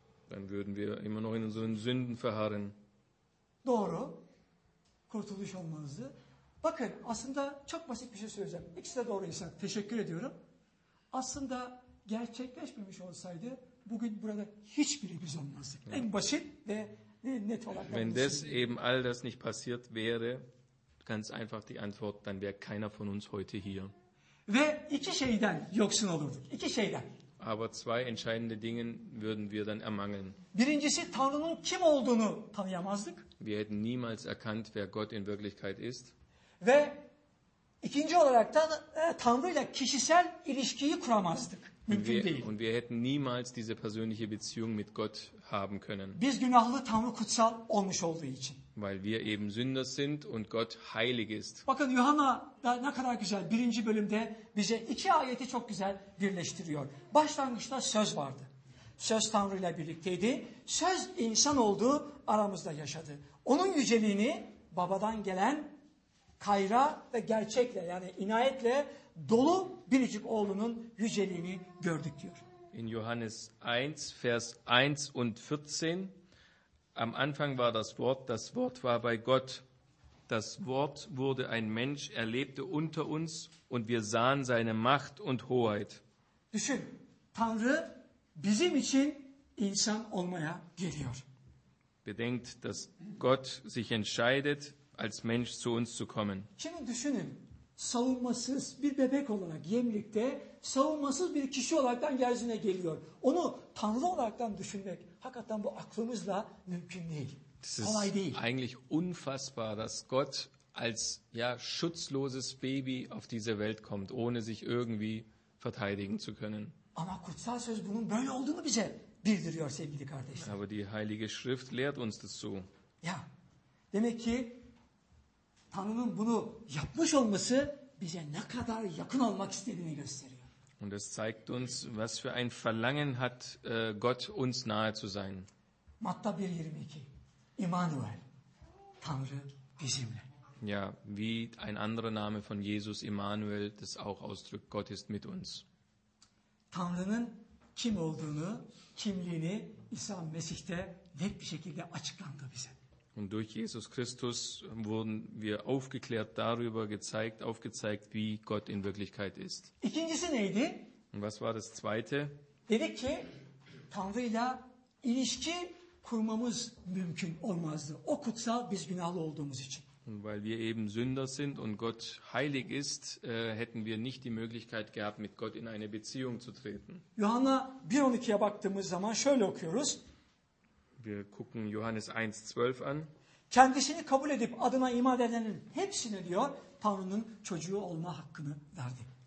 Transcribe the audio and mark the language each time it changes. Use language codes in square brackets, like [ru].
[de] Dann würden wir immer noch in unseren Sünden verharren. [tr] Doğru. Kurtuluş olmanızı. Bakın, aslında çok basit bir şey söyleyeceğim. İkisi de doğru insan. Teşekkür ediyorum. Aslında gerçekleşmemiş olsaydı bugün burada hiçbirimiz olmazdık. Ja. En basit ve net olarak. [de] Wenn das eben all das nicht passiert wäre, ganz einfach die Antwort, dann wäre keiner von uns heute hier. [tr] Ve iki şeyden yoksun olurduk. İki şeyden. [de] Aber zwei entscheidende Dinge würden wir dann ermangeln. [tr] Birincisi Tanrı'nın kim olduğunu tanıyamazdık. [de] Wir hätten niemals erkannt, wer Gott in Wirklichkeit ist. [tr] Ve ikinci olarak da Tanrı'yla kişisel ilişkiyi kuramazdık. [de] Und wir hätten niemals diese persönliche Beziehung mit Gott haben können. [tr] Biz günahlı Tanrı kutsal olmuş olduğu için. [de] Weil wir eben Sünder sind und Gott heilig ist. [tr] Bakın Yuhanna da ne kadar güzel. Birinci bölümde bize iki ayeti çok güzel birleştiriyor. Başlangıçta söz vardı. Söz Tanrı ile birlikteydi. Söz insan oldu, aramızda yaşadı. Onun yüceliğini babadan gelen kayra ve gerçekle yani inayetle dolu biricik oğlunun yüceliğini gördük diyor. [de] In Johannes 1 Vers 1 und 14 am Anfang war das Wort war bei Gott. Das Wort wurde ein Mensch, er lebte unter uns und wir sahen seine Macht und Hoheit. [tr] Düşün, Tanrı bizim için insan olmaya geliyor. [de] Bedenkt, dass Gott sich entscheidet, als Mensch zu uns zu kommen. [tr] Şimdi düşünün. Savunmasız bir bebek olarak yemlikte savunmasız bir kişi olaraktan yeryüzüne geliyor. Onu Tanrı olaraktan düşünmek hakikaten bu aklımızla mümkün değil. Kolay değil. [de] Eigentlich unfassbar, dass Gott als ja schutzloses Baby auf diese Welt kommt, ohne sich irgendwie verteidigen zu können. [tr] Ama kutsal söz bunun böyle olduğunu bize bildiriyor sevgili kardeşler. [de] Aber die Heilige Schrift lehrt uns das so. Ya. [tr] Demek ki Tanrı'nın bunu yapmış olması bize ne kadar yakın olmak istediğini gösteriyor. [de] Und es zeigt uns, was für ein Verlangen hat Gott uns nahe zu sein. [tr] Matta 1:22. Immanuel. Tanrı bizimle. [de] Ja, wie ein anderer Name von Jesus Immanuel, das auch ausdrückt, Gott ist mit uns. [tr] Tanrı'nın kim olduğunu, kimliğini İsa Mesih'te net bir şekilde açıklandı bize. [de] Und durch Jesus Christus wurden wir aufgeklärt darüber gezeigt, aufgezeigt, wie Gott in Wirklichkeit ist. [tr] İkincisi neydi? [de] Und was war das Zweite? [tr] Dedik ki, Tanrı'yla ilişki kurmamız mümkün olmazdı. O kutsal biz günahlı olduğumuz için. [de] Und weil wir eben Sünder sind und Gott heilig ist, hätten wir nicht die Möglichkeit gehabt, mit Gott in eine Beziehung zu treten. [tr] Yuhanna 1:12'ye baktığımız zaman şöyle okuyoruz. [de] Wir gucken Johannes 1:12 an. [tr] Kendisini kabul edip adına iman edenlerin hepsine diyor Tanrı'nın çocuğu olma hakkını verdi.